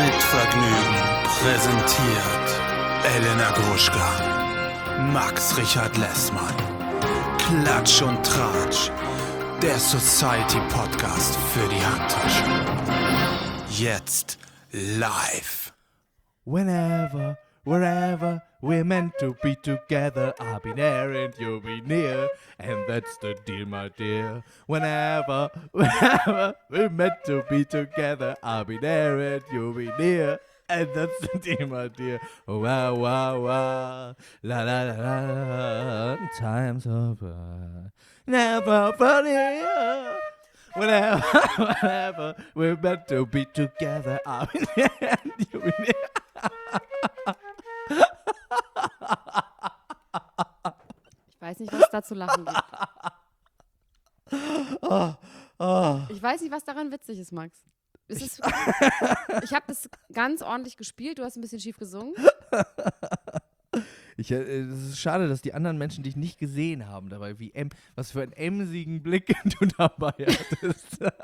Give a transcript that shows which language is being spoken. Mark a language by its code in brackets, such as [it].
[de] Vergnügen präsentiert Elena Gruschka, Max Richard Lessmann, Klatsch und Tratsch, der Society Podcast für die Handtasche. Jetzt live. [en] Whenever, wherever we're meant to be together, I'll be there and you'll be near, and that's the deal, my dear. Whenever, wherever we're meant to be together, I'll be there and you'll be near, and that's the deal, my dear. Wow, wow, wow, la la la la, time's over, never funnier. Whenever, whenever we're meant to be together, I'll be there and you'll be near. [de] Ich weiß nicht, was es da zu lachen gibt. Ich weiß nicht, was daran witzig ist, Max. Ich habe das ganz ordentlich gespielt, du hast ein bisschen schief gesungen. Es ist schade, dass die anderen Menschen dich nicht gesehen haben dabei, was für einen emsigen Blick du dabei hattest.